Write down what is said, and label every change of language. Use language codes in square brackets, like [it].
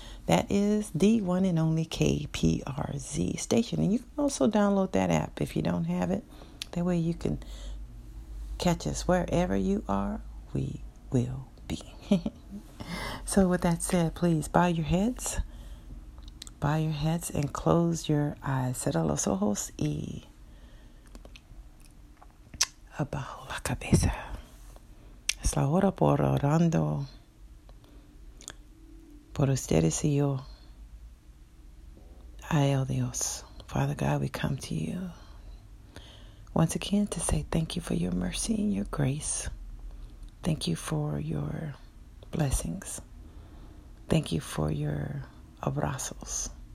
[en] That is the one and only KPRZ station. And you can also download that app if you don't have it. That way you can catch us wherever you are. We will be. So with that said, please bow your heads. Bow your heads and close your eyes. [es] Cierra los ojos y abajo la cabeza. Es la hora por orando. Por ustedes y yo, ay, oh Dios, [en] Father God, we come to you once again to say thank you for your mercy and your grace. Thank you for your blessings. Thank you for your abrazos.